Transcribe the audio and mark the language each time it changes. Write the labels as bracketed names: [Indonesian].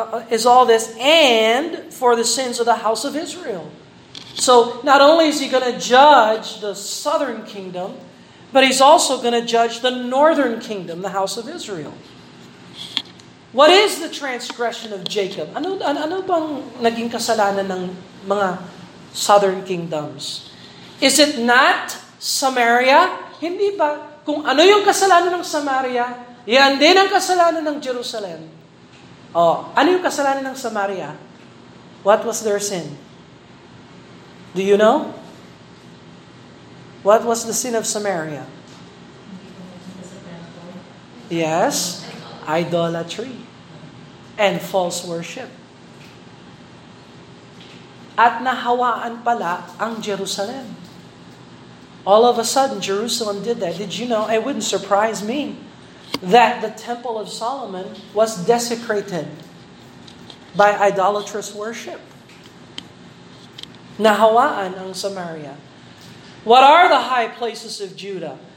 [English] Is all this and for the sins of the house of Israel. So not only is he going to judge the southern kingdom, but he's also going to judge the northern kingdom, the house of Israel. What is the transgression of Jacob? [Filipino] Ano bang naging kasalanan ng mga southern kingdoms? [English] Is it not Samaria? [Filipino] Hindi ba? Kung ano yung kasalanan ng Samaria, yan din ang kasalanan ng Jerusalem. [English] Oh, [Filipino] ano yung kasalanan ng Samaria? [English] What was their sin? Do you know? What was the sin of Samaria? Yes, idolatry and false worship. [Filipino] At nahawaan pala ang Jerusalem. [English] All of a sudden, Jerusalem did that. Did you know? It wouldn't surprise me that the Temple of Solomon was desecrated by idolatrous worship. [Filipino] Nahawaan ang Samaria. [English] What are the high places of Judah?